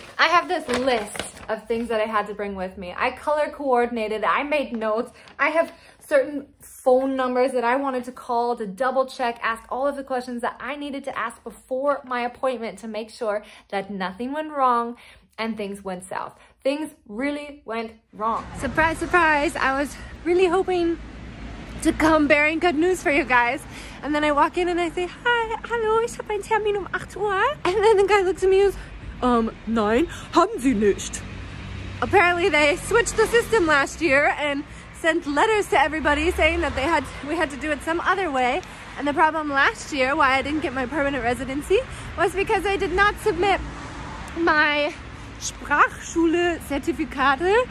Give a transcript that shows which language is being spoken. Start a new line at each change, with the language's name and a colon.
English: I have this list of things that I had to bring with me. I color coordinated, I made notes, I have certain phone numbers that I wanted to call to double check, ask all of the questions that I needed to ask before my appointment to make sure that nothing went wrong and things went south. Things really went wrong. Surprise, surprise. I was really hoping to come bearing good news for you guys. And then I walk in and I say, hi, hello,
German: ich habe einen Termin 8 Uhr.
English: And then the guy looks at me and goes,
German: nein, haben Sie nicht.
English: Apparently they switched the system last year and sent letters to everybody saying that we had to do it some other way. And the problem last year why I didn't get my permanent residency was because I did not submit my Sprachschule Zertifikate.